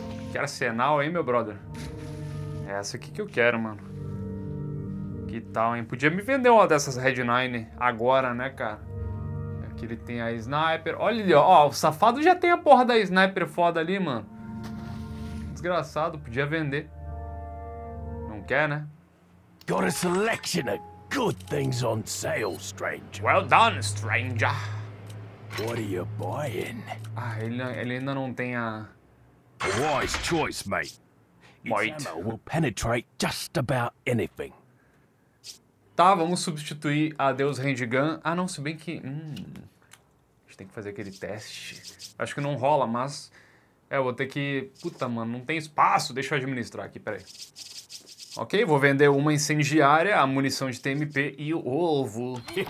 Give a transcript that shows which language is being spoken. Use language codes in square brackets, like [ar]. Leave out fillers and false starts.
[pt] Que arsenal, hein, meu brother? É essa aqui que eu quero, mano. Que tal, hein? Podia me vender uma dessas Red 9 agora, né, cara? Aqui ele tem a sniper. Olha ali, ó. O safado já tem a porra da sniper foda ali, mano. Desgraçado, podia vender. Não quer, né? [en] Got a selection of good things on sale, stranger. Well done, stranger. What are you buying? [pt] Ah, ele ainda não tem a. [en] Wise choice, mate. Might. Ammo will penetrate just about anything. [pt] Tá, vamos substituir a Deus Handgun. Ah, não, se bem que. A gente tem que fazer aquele teste. Acho que não rola, mas. É, eu vou ter que. Puta, mano, não tem espaço. Deixa eu administrar aqui, peraí. Ok, vou vender uma incendiária, a munição de TMP e o ovo.